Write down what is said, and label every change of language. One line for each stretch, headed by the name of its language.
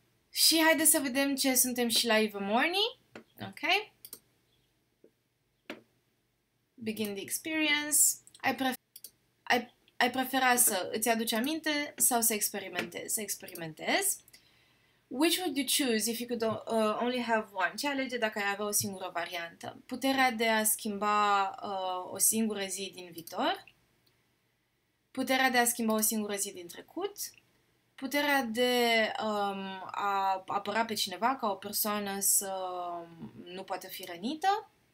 Romanian: Și haide să vedem ce suntem și la Ivermorny. Ok.
English: Begin the experience.
Romanian: Ai prefera să îți aduci aminte sau să experimentezi? Să experimentezi.
English: Which would you choose if you could only have one?
Romanian: Ce alege dacă ai avea o singură variantă? Puterea de a schimba o singură zi din viitor? Puterea de a schimba o singură zi din trecut? Puterea de a apăra pe cineva ca o persoană să nu poată fi rănită?